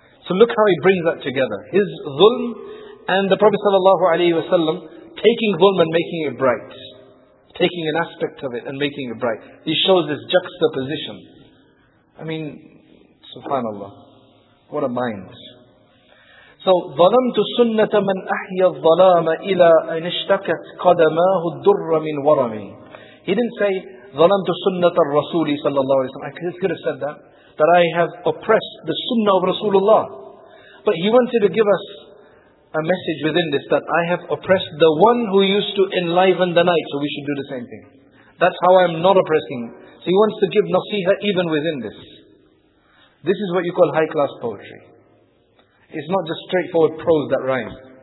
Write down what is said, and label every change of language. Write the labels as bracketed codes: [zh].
[en] So look how he brings that together. His dhulm and the Prophet sallallahu alayhi wa sallam taking dhulm and making it bright. Taking an aspect of it and making it bright. He shows this juxtaposition. I mean, subhanallah. What a mind. [ar] So, ظَلَمْتُ سُنَّةَ مَنْ أَحْيَ الظَّلَامَ إِلَىٰ أَنْ اشْتَكَتْ قَدَمَاهُ الدُّرَّ مِنْ وَرَمِي [en] He didn't say, [ar] ظَلَمْتُ سُنَّةَ الرَّسُولِ صَلَّى اللَّهُ عَلَيْهِ وَسَلَّمَ [en] I could have said that I have oppressed the sunnah of Rasulullah. But he wanted to give us a message within this, that I have oppressed the one who used to enliven the night, so we should do the same thing. That's how I'm not oppressing. So he wants to give nasiha even within this. This is what you call high class poetry. It's not just straightforward prose that rhymes.